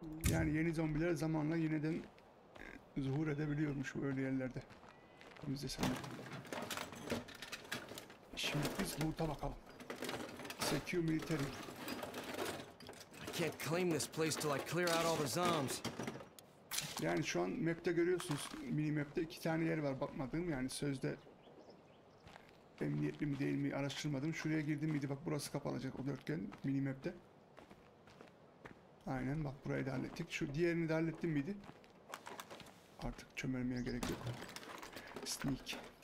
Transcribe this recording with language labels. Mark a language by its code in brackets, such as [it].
[tr] Yani yeni zombiler zamanla yeniden zuhur edebiliyormuş böyle yerlerde. Biz de sana. Şimdi biz loot'a bakalım. [en] Secure military. I can't claim this place till I clear out all the zombies. [tr] Yani şu an map'te görüyorsunuz. Mini map'te iki tane yer var bakmadığım, yani sözde emniyetli mi değil mi araştırmadım. Şuraya girdim miydi? Bak burası kapanacak o dörtgen mini map'te. Aynen bak burayı da hallettik. Şu diğerini de hallettim miydi? Artık çömelmeye gerek yok. Sneak.